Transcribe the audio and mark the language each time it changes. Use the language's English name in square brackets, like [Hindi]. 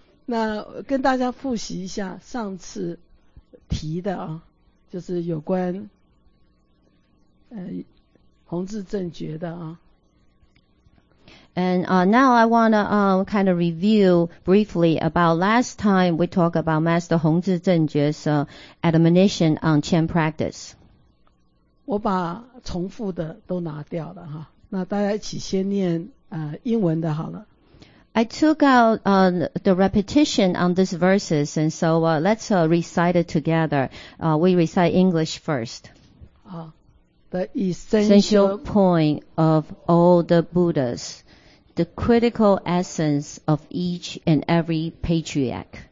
[Chinese] 那跟大家复习一下上次提的啊，就是有关弘智正觉的啊。 [English] And now I want to kind of review briefly about last time we talked about Master 弘智正觉's admonition on Chan practice. [Chinese] 我把重复的都拿掉了哈，那大家一起先念英文的好了。 [English] I took out the repetition on these verses, and so let's recite it together. We recite English first. The essential point of all the Buddhas, the critical essence of each and every patriarch.